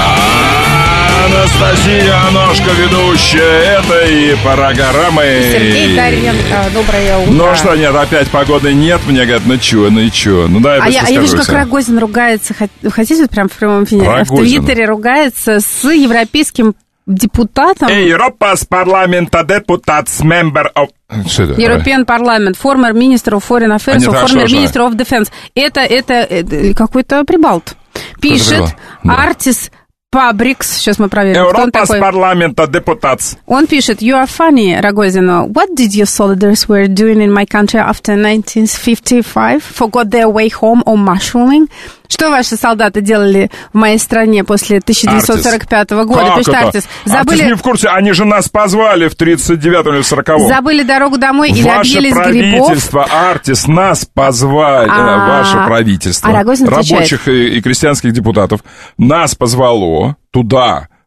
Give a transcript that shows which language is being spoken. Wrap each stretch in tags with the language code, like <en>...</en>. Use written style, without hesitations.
<ru>Анастасия Аношко, ведущая этой программы. И Сергей Даренко, доброе утро. Ну что, нет, опять погоды нет. Мне говорят, ну чё? Ну да, я вижу, как Рогозин ругается. Хотите вот прям в прямом эфире? В Твиттере ругается с европейским депутатом.</ru> <lv>Европас парламента депутатс</lv> <en>мембер оф... European Parliament, former minister of foreign affairs, former minister of defense.</en> <ru>Это какой-то прибалт. Пишет Артис Пабрикс. Сейчас мы проверим, кто он такой.</ru> <lv>Европас парламента депутатс.</lv> <ru>Он пишет:</ru> <en>you are funny,</en> <ru>Рогозино.</ru> <en>What did your soldiers were doing in my country after 1955? Forgot their way home or marshalling?</en> <ru>Что ваши солдаты делали в моей стране после 1945 года? Артис. Как это? Забыли... Артис не в курсе. Они же нас позвали в 1939 или 1940. Забыли дорогу домой или объелись грибов? Ваше правительство, Артис, нас позвали. Ваше правительство. Рабочих и крестьянских депутатов. Нас позвало туда.</ru>